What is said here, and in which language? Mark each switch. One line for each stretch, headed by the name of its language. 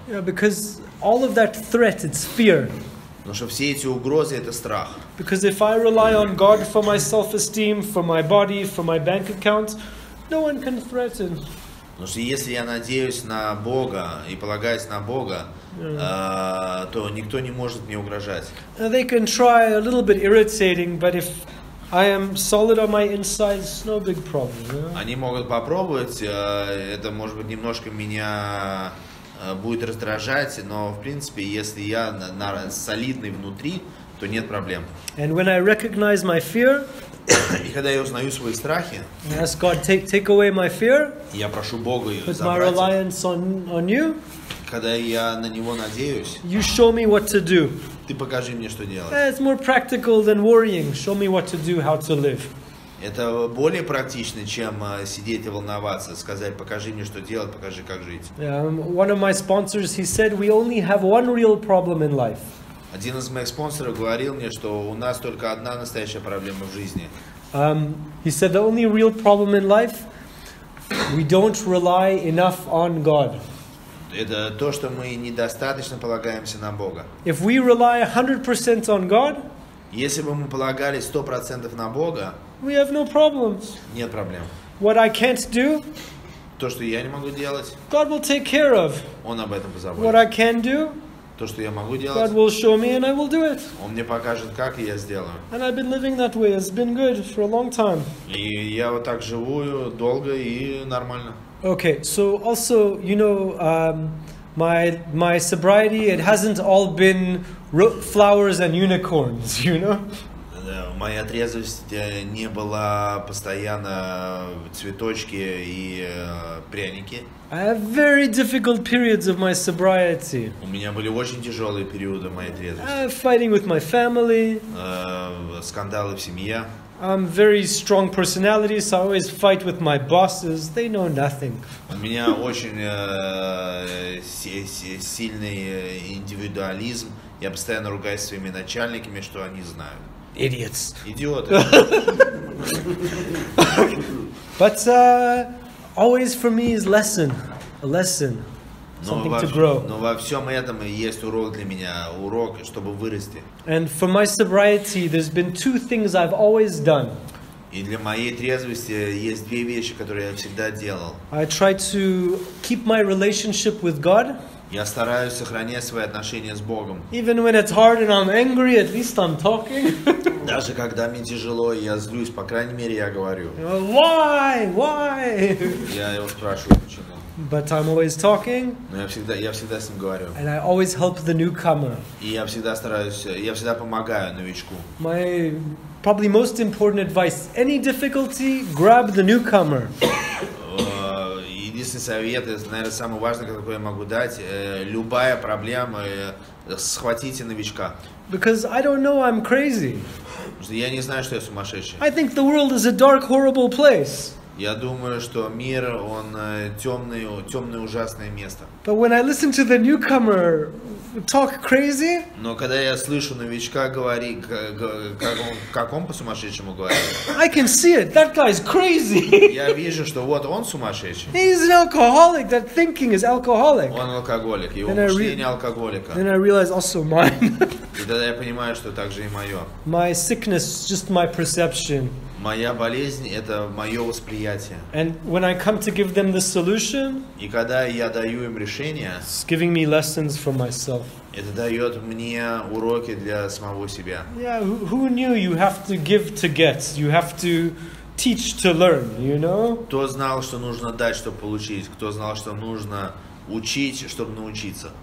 English: Yeah, because all of that threat, it's fear.
Russian: Потому что все эти угрозы это страх.
English: Because if I rely on God for my self-esteem, for my body, for my bank account, no one can threaten.
Russian: Потому что если я надеюсь на Бога и полагаюсь на Бога, то никто не может мне угрожать.
English: They can try a little bit irritating, but if I am solid on my inside, it's no big problem.
Russian: Они могут попробовать, это может быть немножко меня будет раздражать, но в принципе, если я солидный внутри, то нет проблем.
English: And when I recognize my fear,
Russian: и когда я узнаю свои страхи,
English: I ask God, take away my fear,
Russian: я прошу Бога ее забрать.
English: Put my reliance on you,
Russian: когда я на него надеюсь,
English: you show me what to do.
Russian: Ты покажи мне, что делать.
English: It's more practical than worrying. Show me what to do, how to live.
Russian: Это более практично, чем сидеть и волноваться, сказать, покажи мне, что делать, покажи, как жить.
English: One of my sponsors, he said, we only have one real problem in life.
Russian: Один из моих спонсоров говорил мне, что у нас только одна настоящая проблема в жизни.
English: He said, the only real problem in life, we don't rely enough on God.
Russian: Это то, что мы недостаточно полагаемся на Бога.
English: If we rely 100% on God,
Russian: если бы мы полагали 100% на Бога,
English: we have no problems.
Russian: Нет проблем.
English: What I can't do,
Russian: то, что я не могу делать,
English: God will take care of.
Russian: Он об этом позаботится.
English: What I can do,
Russian: то, что я могу делать,
English: God will show me and I will do it.
Russian: Он мне покажет, как, и я сделаю.
English: And I've been living that way. It's been good for a long time.
Russian: И я вот так живу долго и нормально.
English: Okay, so also, you know, my sobriety, it hasn't all been flowers and unicorns, you know?
Russian: Моя трезвость не была постоянно цветочки и пряники.
English: I have very difficult periods of my sobriety.
Russian: У меня были очень тяжелые периоды моей трезвости.
English: Fighting with my family.
Russian: Скандалы в семье.
English: I'm very strong personality, so I always fight with my bosses. They know nothing.
Russian: У меня очень сильный индивидуализм. Я постоянно ругаюсь с своими начальниками, что они знают.
English: Idiots.
Russian: Идиоты.
English: But always for me is a lesson, something to grow.
Russian: Но во всем этом есть урок для меня, урок, чтобы вырасти.
English: And for my sobriety, there's been two things I've always done.
Russian: И для моей трезвости есть две вещи, которые я всегда делал.
English: I try to keep my relationship with God.
Russian: Я стараюсь сохранять свои отношения с Богом.
English: Even when it's hard and I'm angry, at least I'm talking.
Russian: Даже когда мне тяжело, я злюсь, по крайней мере, я говорю.
English: Why? Why?
Russian: Я его спрашиваю, почему.
English: But I'm always talking.
Russian: Но я всегда с ним говорю.
English: And I always help the newcomer.
Russian: И я всегда помогаю новичку.
English: My probably most important advice: any difficulty, grab the newcomer.
Russian: Единственный совет, наверное, самый важный, какой я могу дать: любая проблема, схватите новичка.
English: Because I don't know, I'm crazy.
Russian: Я не знаю, что я сумасшедший.
English: I think the world is a dark, horrible place.
Russian: Я думаю, что мир, он темное, ужасное место.
English: But when I listen to the newcomer talk crazy,
Russian: но когда я слышу новичка говорить, как он по-сумасшедшему говорит,
English: I can see it. That guy's crazy.
Russian: Я вижу, что вот он сумасшедший.
English: He's an alcoholic. That thinking is alcoholic.
Russian: Он алкоголик. Его мышление алкоголика.
English: Then I realize also mine.
Russian: И тогда я понимаю, что также и мое.
English: My sickness is just my perception.
Russian: Моя болезнь — это мое восприятие.
English: And when I come to give them the solution,
Russian: и когда я даю им решение,
English: it's giving me lessons for myself.
Russian: Это дает мне уроки для самого себя.
English: Yeah, who knew you have to give to get? You have to teach to learn, you know?
Russian: Кто знал, что нужно дать, чтобы получить? Кто знал, что нужно учить, чтобы научиться.